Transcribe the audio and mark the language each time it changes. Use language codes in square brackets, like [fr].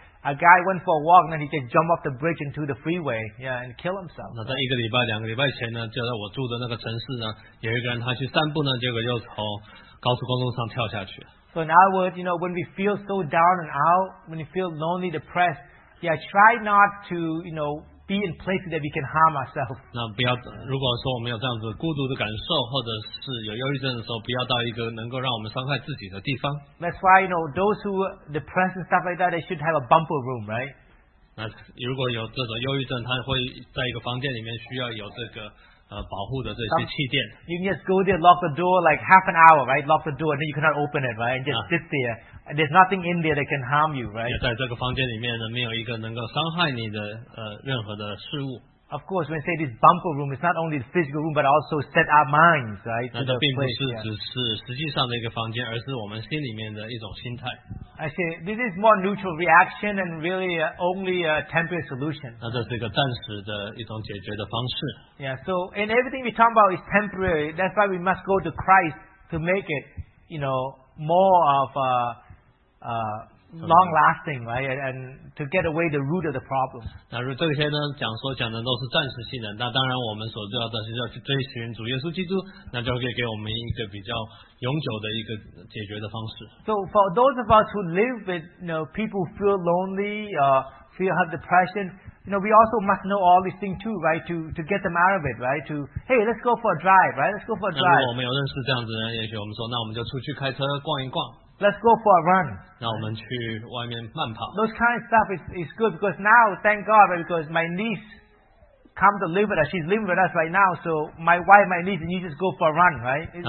[en] A guy went for a walk, and then he just jumped off the bridge into the freeway, yeah, and kill himself. [zh] 那在一个礼拜、两个礼拜前呢，就在我住的那个城市呢，有一个人他去散步呢，结果就从高速公路上跳下去。 [en] So in other words, you know, when we feel so down and out, when we feel lonely, depressed, yeah, try not to, you know, be in places that we can harm ourselves. [zh] 那不要，如果说我们有这样子孤独的感受，或者是有忧郁症的时候，不要到一个能够让我们伤害自己的地方。 [en] That's why, you know, those who are depressed and stuff like that, they should have a bumper room, right? [zh] 那如果有这种忧郁症，他会在一个房间里面需要有这个保护的这些气垫。 [en] You can just go there, lock the door like half an hour, right? Lock the door, and then you cannot open it, right? And just sit there. And there's nothing in there that can harm you, right? [zh] 也在这个房间里面呢，没有一个能够伤害你的任何的事物。 [en] Of course, when we say this bumper room, it's not only the physical room, but also set our minds, right? [zh] 那这并不是只是实际上的一个房间，而是我们心里面的一种心态。 [en] I say this is more neutral reaction and really only a temporary solution. [zh] 那这是一个暂时的一种解决的方式。 [en] Yeah, so and everything we talk about is temporary. That's why we must go to Christ to make it, you know, more of a long lasting, right? And to get away the root of the problem. [zh] 那如这些呢，讲说讲的都是暂时性的。那当然我们所知道的是要去追寻主耶稣基督，那就可以给我们一个比较永久的一个解决的方式。 [en] So for those of us who live with, you know, people who feel lonely, feel have depression, you know, we also must know all these things too, right? To get them out of it, right? To, hey, let's go for a drive, right? Let's go for a drive. [zh] 那如果我们有认识这样子的人，也许我们说，那我们就出去开车逛一逛。 [en] Let's go for a run. [zh] 那我们去外面慢跑。 [en] Those kind of stuff is good because now, thank God, because my niece come to live with us. She's living with us right now. So my wife, my niece, and you just go for a run, right?